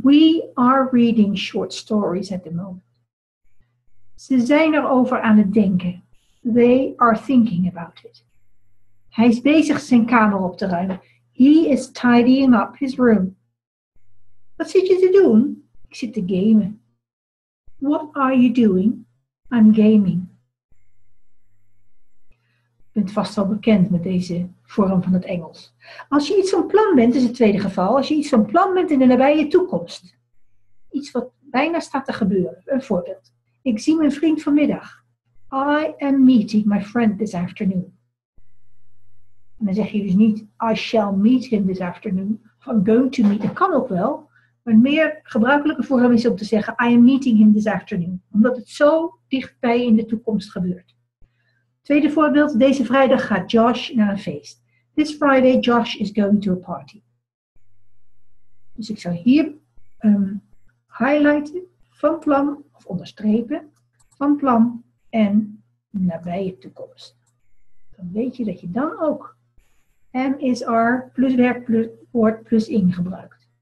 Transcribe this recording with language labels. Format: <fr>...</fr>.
<en>We are reading short stories at the moment.</en> <nl>Ze zijn erover aan het denken.</nl> <en>They are thinking about it.</en> <nl>Hij is bezig zijn kamer op te ruimen.</nl> <en>He is tidying up his room.</en> <nl>Wat zit je te doen? Ik zit te gamen.</nl> <en>What are you doing? I'm gaming.</en> <nl>Je bent vast wel bekend met deze vorm van het Engels. Als je iets van plan bent, is het tweede geval. Als je iets van plan bent in de nabije toekomst. Iets wat bijna staat te gebeuren. Een voorbeeld. Ik zie mijn vriend vanmiddag.</nl> <en>I am meeting my friend this afternoon.</en> <nl>En dan zeg je dus niet,</nl> <en>I shall meet him this afternoon. van going to meet.</en> <nl>Dat kan ook wel. Maar een meer gebruikelijke vorm is om te zeggen,</nl> <en>I am meeting him this afternoon.</en> <nl>Omdat het zo dichtbij in de toekomst gebeurt. Tweede voorbeeld, deze vrijdag gaat Josh naar een feest.</nl> <en>This Friday Josh is going to a party.</en> <nl>Dus ik zou hier highlighten, van plan, of onderstrepen, van plan en nabije toekomst. Dan weet je dat je dan ook am is are plus werkwoord plus in gebruikt.</nl>